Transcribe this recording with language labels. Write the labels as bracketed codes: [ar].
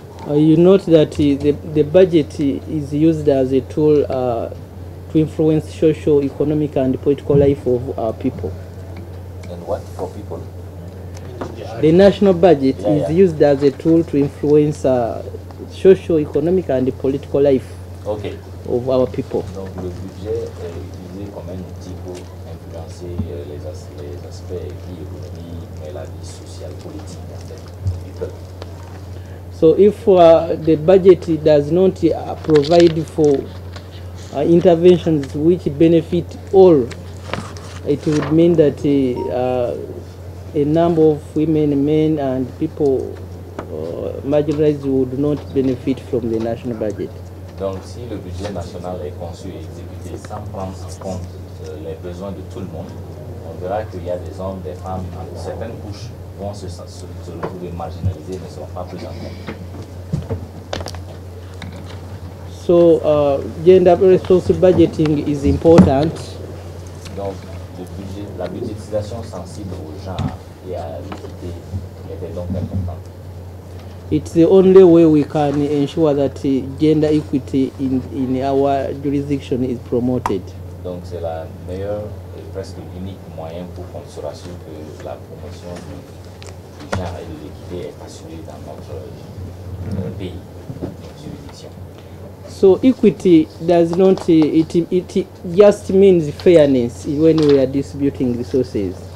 [en] You note that the budget is used as a tool to influence social, economic, and political life of our people. And what for people? The national budget is used as a tool to influence social, economic, and political life of our people. [fr] Donc le budget est utilisé comme un outil pour influencer les aspects économiques et la vie sociale, politique du peuple. [en] So if the budget does not provide for interventions which benefit all, it would mean that a number of women, men, and people marginalized would not benefit from the national budget. [fr] Donc si le budget national est conçu et exécuté sans prendre en compte les besoins de tout le monde, on verra qu'il y a des hommes, des femmes, dans certaines couches vont se retrouver marginalisés, ne seront pas pris en compte. [en] So gender resource budgeting is important. [fr] Donc le budget, la budgétisation sensible au genre et à l'équité était donc importante. [en] It's the only way we can ensure that gender equity in our jurisdiction is promoted. [fr] Donc c'est la meilleure et presque unique moyen pour qu'on se rassure que la promotion du genre et de l'équité est assurée dans notre pays, notre jurisdiction. [en] So equity does not it just means fairness when we are distributing resources.